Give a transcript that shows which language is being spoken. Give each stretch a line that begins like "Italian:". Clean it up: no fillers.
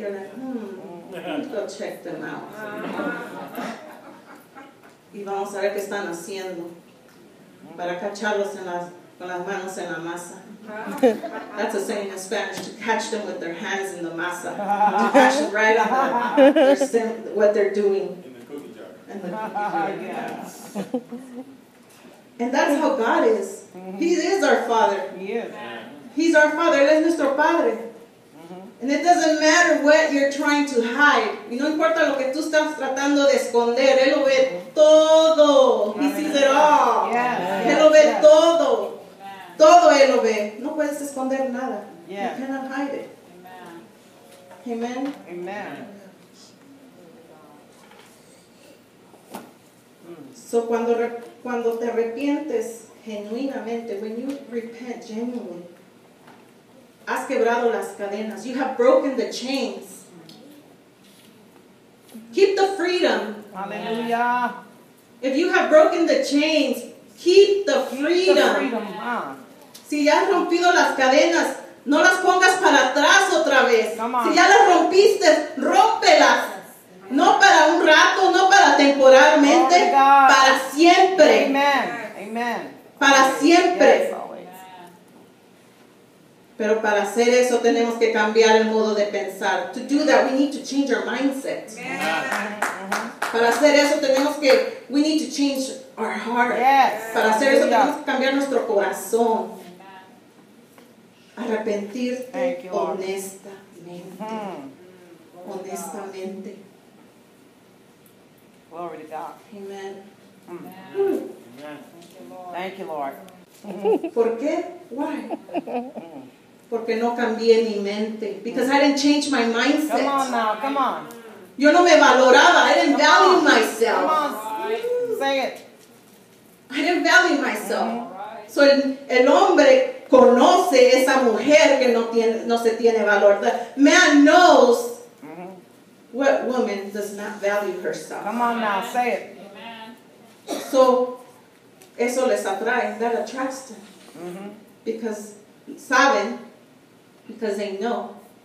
English: You're like, go check them out.
Spanish: Y vamos a ver qué están haciendo para cacharlos con las manos en la masa.
English: That's a saying in Spanish, to catch them with their hands in the masa. To catch them right on them, what they're doing. In the cookie jar. In the cookie jar. Yes. And that's how God is. Mm-hmm. He is our Father. He is. He's our Father.
Spanish: Él es nuestro Padre. Mm-hmm.
English: And it doesn't matter what you're trying to hide.
Spanish: Y no importa lo que tú estás tratando de esconder. Él lo ve todo.
English: He sees it all. Yes.
Spanish: Él lo ve
English: yes.
Spanish: todo. Todo Él lo ve. No puedes esconder nada.
English: Yeah. You cannot hide it. Amen. Amen. Amen.
Spanish: So cuando te arrepientes genuinamente,
English: when you repent genuinely,
Spanish: has quebrado las cadenas.
English: You have broken the chains. Keep the freedom. Hallelujah. If you have broken the chains, keep the freedom. Keep the freedom. Wow.
Spanish: Si ya has rompido las cadenas, no las pongas para atrás otra vez. Si ya las rompiste, rómpelas. No para un rato, no para temporalmente, oh, para siempre.
English: Amen. Amen.
Spanish: Para siempre.
English: Yes,
Spanish: pero para hacer eso tenemos que cambiar el modo de pensar.
English: To do that, we need to change our mindset. Yes.
Spanish: Para hacer eso tenemos que,
English: we need to change our heart. Yes.
Spanish: Para hacer eso tenemos que cambiar nuestro corazón. Arrepentirte honestamente.
English: Glory to God. Amen. Amen. Amen. Thank you, Lord.
Spanish: ¿Por qué? Why? Porque no cambié mi mente.
English: Because I didn't change my mindset. Come on now, come on.
Spanish: Yo no me valoraba.
English: I didn't value on. Myself. Come on. Say it. I didn't value myself.
Spanish: So el hombre conoce esa mujer que no se tiene valor.
English: The man knows what woman does not value herself. Come on now, say it. Amen.
Spanish: So, eso les atrae.
English: That attracts them. Mm-hmm. Because, saben, because they know.